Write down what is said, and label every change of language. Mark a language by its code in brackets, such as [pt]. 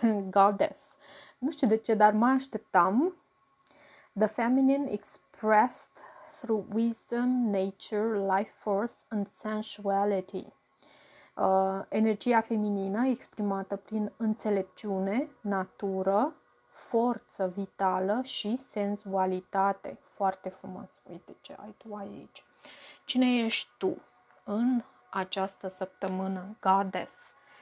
[ro] Goddess. Nu știu de ce, dar mă așteptam. [en] The feminine expressed through wisdom, nature, life force and sensuality. [ro] Energia feminină exprimată prin înțelepciune, natură, forță vitală și senzualitate. Foarte frumos. Uite ce ai tu aici. Cine ești tu în această săptămână, goddess?